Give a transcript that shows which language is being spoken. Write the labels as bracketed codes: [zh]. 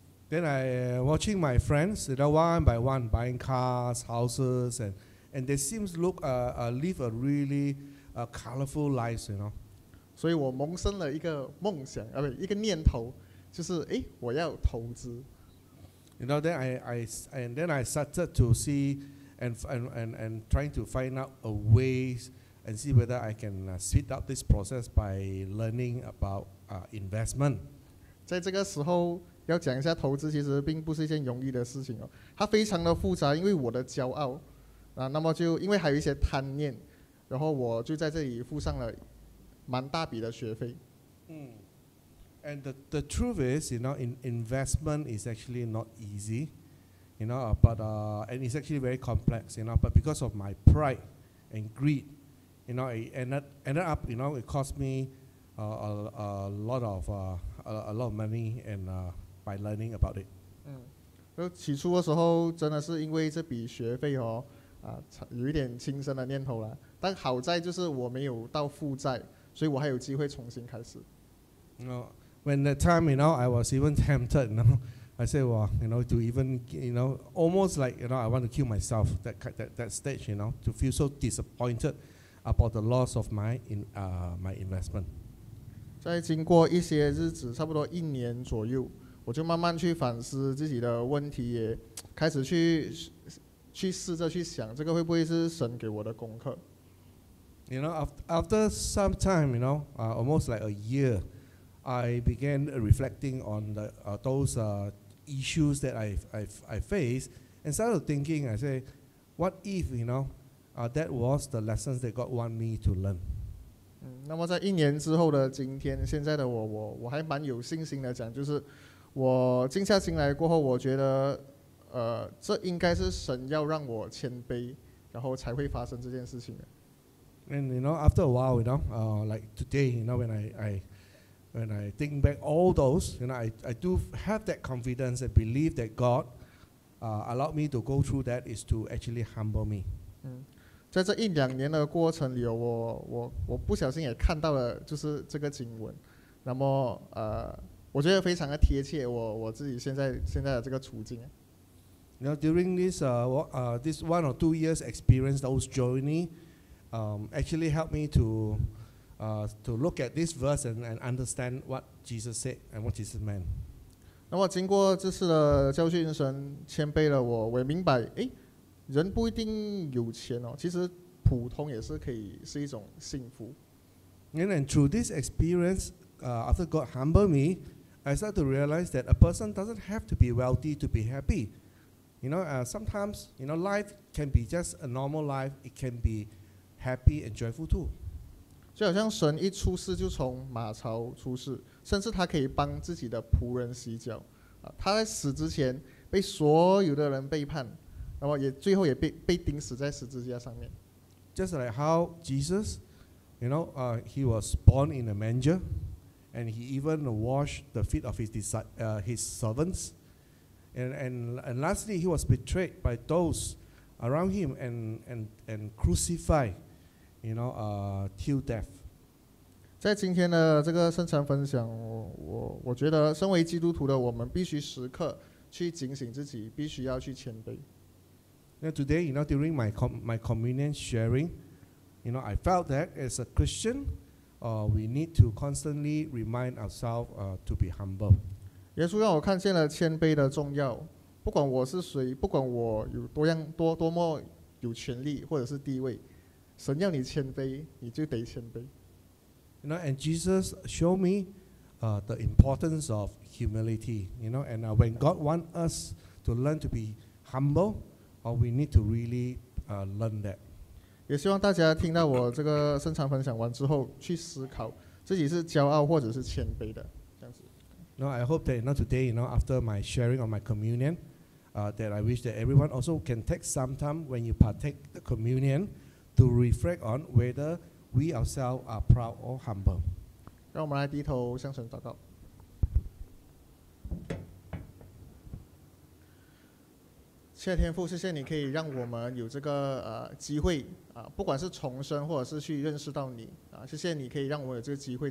[en] Then I watching my friends, you know, one by one buying cars, houses, and they seems look live a really colorful lives, you know. [zh] 所以我萌生了一个梦想啊，不，一个念头，就是哎，我要投资。 [en] You know, then I started to see. And trying to find out a ways and see whether I can speed up this process by learning about investment. [zh] 在这个时候要讲一下投资其实并不是一件容易的事情、哦、它非常的复杂，因为我的骄傲、啊、那么就因为还有一些贪念，然后我就在这里付上了蛮大笔的学费。嗯。 [en] And the truth is, you know, investment is actually not easy, you know, but and it's actually very complex, you know, but because of my pride and greed, you know, it ended up, you know, it cost me a lot of money and by learning about it. [zh] 嗯，就起初的时候真的是因为这笔学费哦，啊，有一点轻生的念头了，但好在就是我没有到负债，所以我还有机会重新开始。 [en] When that time, you know, I was even tempted, you know, I said, well, you know, to even, you know, almost like, you know, I want to kill myself, that stage, you know, to feel so disappointed about the loss of my investment. [zh] 在经过一些日子，差不多一年左右，我就慢慢去反思自己的问题，也开始去试着去想，这个会不会是神给我的功课。 [en] You know, after some time, you know, almost like a year,I began reflecting on those issues that I faced, and started thinking. I say, what if you know, that was the lessons that God want me to learn. [zh] 那么在一年之后的今天，现在的我还蛮有信心的讲，就是我静下心来过后，我觉得，这应该是神要让我谦卑，然后才会发生这件事情的。 [en] And you know, after a while, you know, like today, you know, when I think back all those, you know, I do have that confidence and believe that God allowed me to go through that is to actually humble me. [zh] 嗯，在这一两年的过程里，我不小心也看到了就是这个经文，那么我觉得非常的贴切我自己现在的这个处境。 [en] You know, during this this 1 or 2 years experience, those journey, actually helped me to look at this verse and understand what Jesus said and what Jesus meant. [zh] 那么经过这次的教训，神谦卑了我也明白，哎，人不一定有钱哦，其实普通也是可以是一种幸福。 [en] And through this experience, after God humbled me, I started to realize that a person doesn't have to be wealthy to be happy. You know, sometimes you know life can be just a normal life. It can be happy and joyful too. [zh] 就好像神一出世就从马槽出世，甚至他可以帮自己的仆人洗脚、啊、他在死之前被所有的人背叛，然后也最后也被钉死在十字架上面。 [en] Just like how Jesus, you know, he was born in a manger, and he even washed the feet of his servants, and lastly he was betrayed by those around him and crucified. You know, till death. [zh] 在今天的这个圣餐分享，我觉得身为基督徒的我们必须时刻去警醒自己，必须要去谦卑。 [en] Now today, you know, during my communion sharing, you know, I felt that as a Christian, we need to constantly remind ourselves, to be humble. [zh] 耶稣让我看见了谦卑的重要。不管我是谁，不管我有多样多么有权力或者是地位。神要你谦卑，你就得谦卑。 [en] You know, and Jesus showed me, the importance of humility. You know, and when God wants us to learn to be humble, we need to really, learn that. [zh] 也希望大家听到我这个深长分享完之后，去思考自己是骄傲或者是谦卑的这样子。 [en] You know, I hope that not today, you know, after my sharing of my communion, that I wish that everyone also can take some time when you partake the communion. To reflect on whether we ourselves are proud or humble. [zh] 让我们来低头向神祷告。谢天父，谢谢你可以让我们有这个机会啊，不管是重生或者是去认识到你啊，谢谢你可以让我们有这个机会。